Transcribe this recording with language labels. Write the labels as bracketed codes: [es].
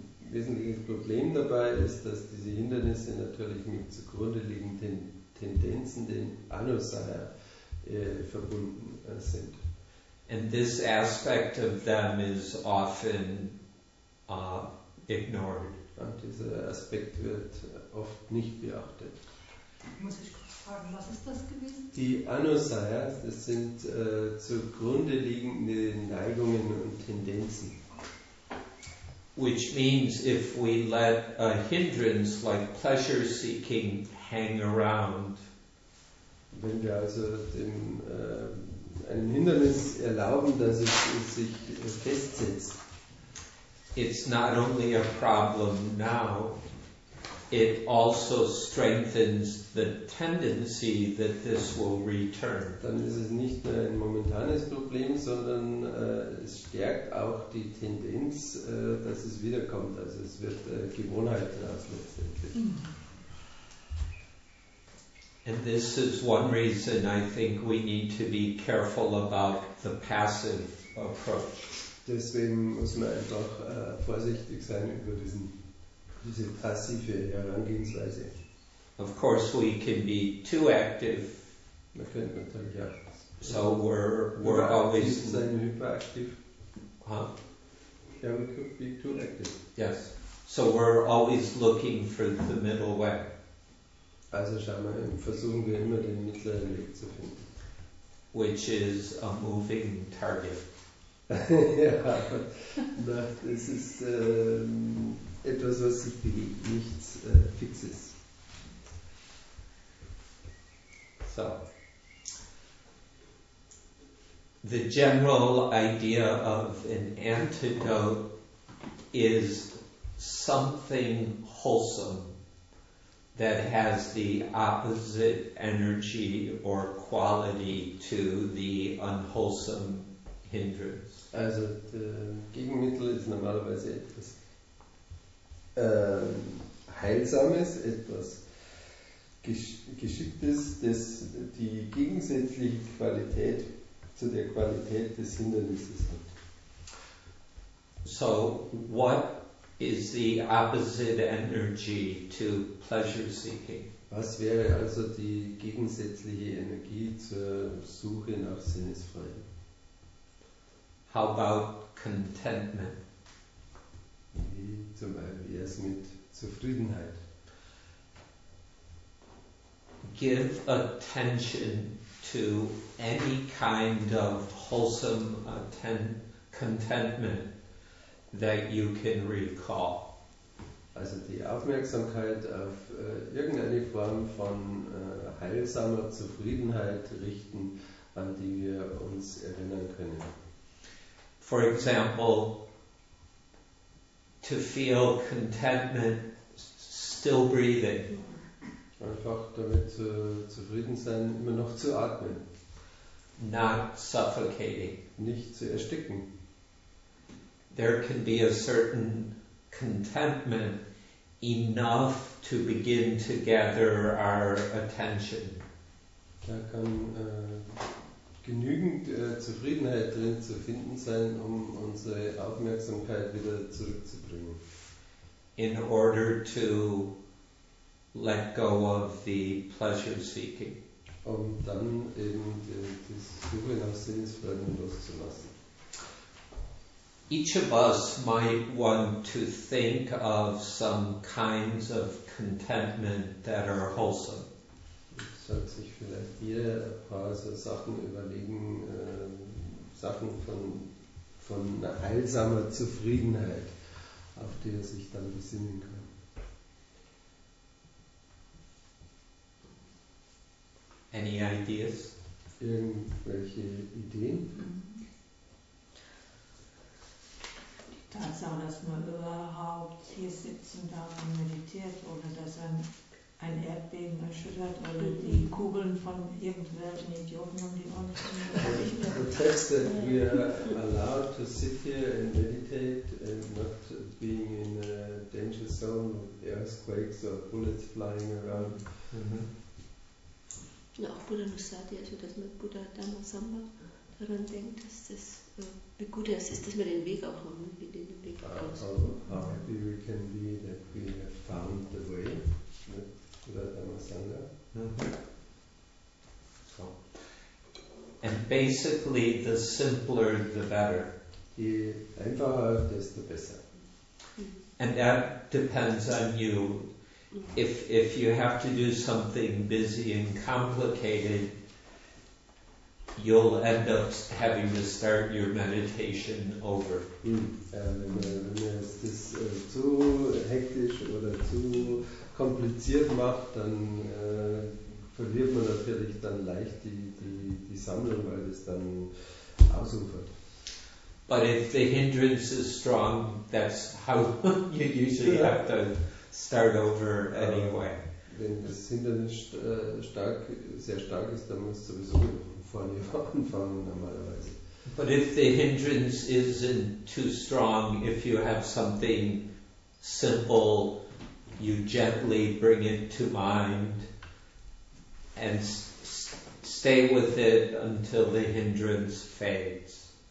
[de] Wesentliches Problem dabei ist, dass diese Hindernisse natürlich mit zugrunde liegenden Tendenzen, den Anusaya, verbunden sind. [en] And this aspect of them is often ignored. [de] Und dieser Aspekt wird oft nicht beachtet. Muss ich kurz fragen, was ist das gewesen? Die Anusaya, das sind zugrunde liegende Neigungen und Tendenzen. [en] Which means if we let a hindrance like pleasure seeking hang around, [de] wenn wir also dem einem Hindernis erlauben, dass es sich festsetzt, [en] it's not only a problem now, it also strengthens the tendency that this will return. [de] Dann ist es nicht nur ein momentanes Problem, sondern es stärkt auch die Tendenz, dass es wiederkommt. Also es wird Gewohnheit daraus letztendlich. [en] And this is one reason I think we need to be careful about the passive approach. [de] Deswegen muss man einfach vorsichtig sein über diese passive Herangehensweise. [en] Of course we can be too active. [de] Man könnte natürlich auch. [en] So we're always [de] hyperaktiv. Huh? [en] Yeah, we could be too active. Yes. So we're always looking for the middle way. [de] Also schauen wir, versuchen wir immer den mittleren Weg zu finden. [en] Which is a moving target. [de] Ja, es ist etwas, was sich bewegt, nichts Fixes. [en] So. The general idea of an antidote is something wholesome that has the opposite energy or quality to the unwholesome hindrance. [de] Also, das Gegenmittel ist normalerweise etwas Heilsames, etwas Geschicktes, das die gegensätzliche Qualität zu der Qualität des Hindernisses hat. [en] So, what is the opposite energy to pleasure seeking? [de] Was wäre also die gegensätzliche Energie zur Suche nach Sinnesfreude? [en] How about contentment? [de] Wie zum Beispiel erst mit Zufriedenheit. [en] Give attention to any kind of wholesome contentment that you can recall. [de] Also die Aufmerksamkeit auf irgendeine Form von heilsamer Zufriedenheit richten, an die wir uns erinnern können. [en] For example, to feel contentment still breathing. [de] Einfach damit zufrieden sein, immer noch zu atmen. [en] Not suffocating. [de] Nicht zu ersticken. [en] There can be a certain contentment enough to begin to gather our attention. [de] Da kann genügend Zufriedenheit drin zu finden sein, um unsere Aufmerksamkeit wieder zurückzubringen. [en] In order to let go of the pleasure seeking. [de] Um dann eben die Suche nach Sinnesfreude loszulassen. [en] Each of us might want to think of some kinds of contentment that are wholesome. [de] Sollte sich vielleicht jeder ein paar so Sachen überlegen, Sachen von heilsamer Zufriedenheit, auf die er sich dann besinnen kann. [en] Any ideas? [de] Irgendwelche Ideen? Tatsache, dass man überhaupt hier sitzen darf und meditiert, oder dass ein Erdbeben erschüttert oder die Kugeln von irgendwelchen Idioten um die Ohren fliegen. [en] The text that we are allowed to sit here and meditate and not being in a danger zone of earthquakes or bullets flying around. [de] Auch Buddha Nusati, als wir das mit Buddha Dhamma Sangha daran denkt, dass das eine gute Sache ist, dass wir den Weg auch haben, wie den Weg aus. [en] Also, how happy we can be that we have found the way, [de] oder [en] Dhammasanga. And basically, the simpler, the better. [de] Je einfacher, desto besser. [en] And that depends on you. If you have to do something busy and complicated, you'll end up having to start your meditation over. [de] Wenn man es das zu hektisch oder zu kompliziert macht, dann verliert man natürlich dann leicht die Sammlung, weil es dann ausufert. [en] But if the hindrance is strong, that's how you usually have to start over anyway. [de] Wenn das Hindernis sehr stark ist, dann musst du sowieso vorne anfangen normalerweise. [en] But if the hindrance isn't too strong, if you have something simple, you gently bring it to mind and stay with it until the hindrance fades.